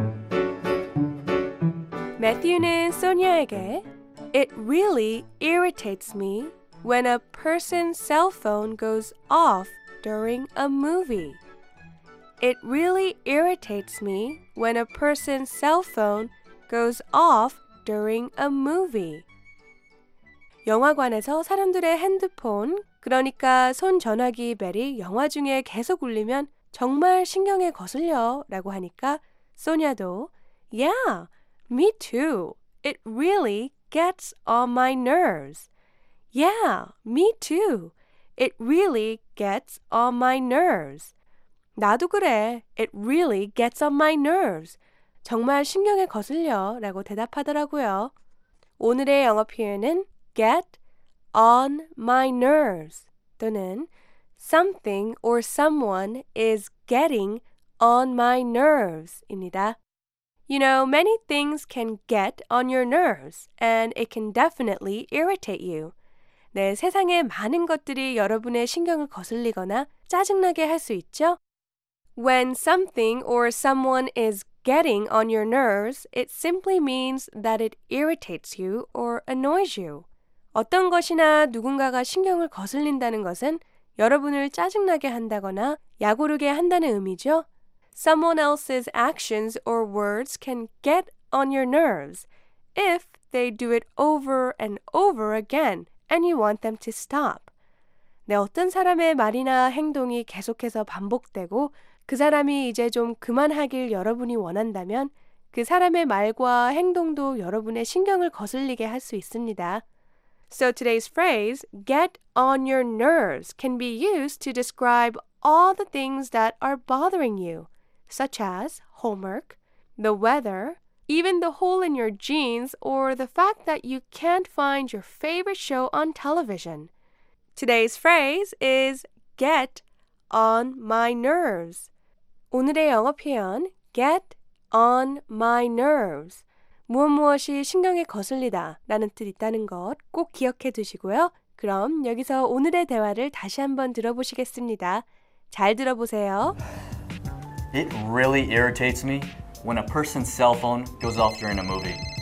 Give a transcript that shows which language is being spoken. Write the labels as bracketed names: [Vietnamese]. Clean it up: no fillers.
[English] Matthew는 [Korean] 소니아에게 [English] It really irritates me when a person's cell phone goes off during a movie. It really irritates me when a person's cell phone goes off during a movie. [Korean] 영화관에서 사람들의 핸드폰, 그러니까 손전화기 벨이 영화 중에 계속 울리면 정말 신경에 거슬려 라고 하니까 소니아도 [English] Yeah, me too. It really gets on my nerves. Yeah, me too. It really gets on my nerves. [Korean] 나도 그래. [English] It really gets on my nerves. [Korean] 정말 신경에 거슬려 라고 대답하더라고요. 오늘의 영어 표현은 [English] get on my nerves [Korean] 또는 [English] something or someone is getting on my nerves [Korean] 입니다. [English] You know, many things can get on your nerves and it can definitely irritate you. [Korean] 네, 세상에 많은 것들이 여러분의 신경을 거슬리거나 짜증나게 할 수 있죠. [English] When something or someone is getting on your nerves, it simply means that it irritates you or annoys you. [Korean] 어떤 것이나 누군가가 신경을 거슬린다는 것은 여러분을 짜증나게 한다거나 야구르게 한다는 의미죠. [English] Someone else's actions or words can get on your nerves if they do it over and over again and you want them to stop. [Korean] 네, 어떤 사람의 말이나 행동이 계속해서 반복되고 그 사람이 이제 좀 그만하길 여러분이 원한다면 그 사람의 말과 행동도 여러분의 신경을 거슬리게 할 수 있습니다. [English] So today's phrase, get on your nerves, can be used to describe all the things that are bothering you, such as homework, the weather, even the hole in your jeans, or the fact that you can't find your favorite show on television. Today's phrase is get on my nerves. [Korean] 오늘의 영어 표현, [English] get on my nerves. [Korean] 무엇무엇이 신경에 거슬리다 라는 뜻 있다는 것 꼭 기억해 두시고요. 그럼 여기서 오늘의 대화를 다시 한번 들어보시겠습니다. 잘 들어보세요. It really irritates me when a person's cell phone goes off during a movie.